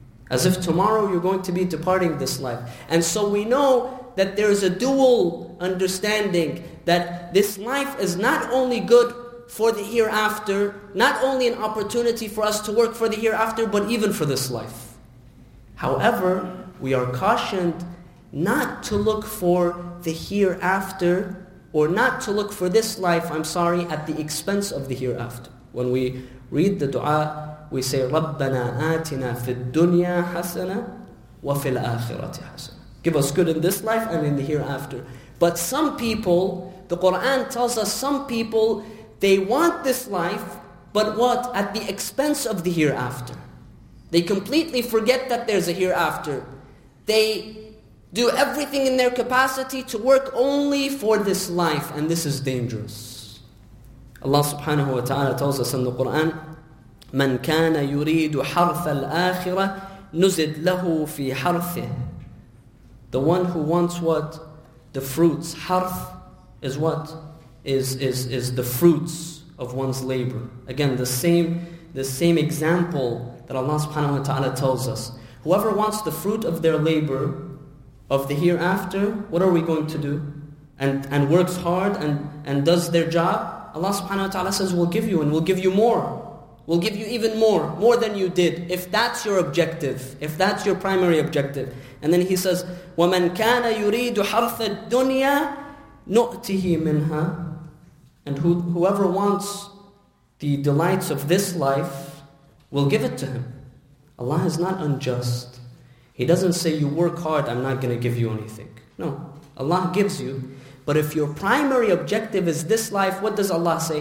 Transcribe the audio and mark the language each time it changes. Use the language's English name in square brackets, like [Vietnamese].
[English] As if tomorrow you're going to be departing this life. And so we know that there is a dual understanding that this life is not only good for the hereafter, not only an opportunity for us to work for the hereafter, but even for this life. However, we are cautioned not to look for the hereafter, or not to look for this life, I'm sorry, at the expense of the hereafter. When we read the dua, we say, [Arabic] رَبَّنَا آتِنَا فِي الدُّنْيَا حَسَنَةً وَفِي الْآخِرَةِ حَسَنَةً. [English] Give us good in this life and in the hereafter. But some people, the Qur'an tells us, some people, they want this life, but what? At the expense of the hereafter. They completely forget that there's a hereafter. They do everything in their capacity to work only for this life, and this is dangerous. Allah subhanahu wa ta'ala tells us in the Quran, [Arabic] مَنْ كَانَ يُرِيدُ حَرْثَ الْآخِرَةِ نُزِدْ لَهُ فِي حَرْثِهِ. [English] The one who wants what? The fruits. Harf is what? Is the fruits of one's labor. Again, the same example that Allah subhanahu wa ta'ala tells us. Whoever wants the fruit of their labor of the hereafter, what are we going to do? And works hard and does their job, Allah subhanahu wa ta'ala says, we'll give you, and we'll give you more. We'll give you even more than you did, if that's your objective, if that's your primary objective. And then he says, [Arabic] وَمَنْ كَانَ يُرِيدُ حَرْثَ الدُّنْيَا نُؤْتِهِ مِنْهَا. [English] And whoever wants the delights of this life, we'll give it to him. Allah is not unjust. He doesn't say, you work hard, I'm not going to give you anything. No, Allah gives you. But if your primary objective is this life, what does Allah say?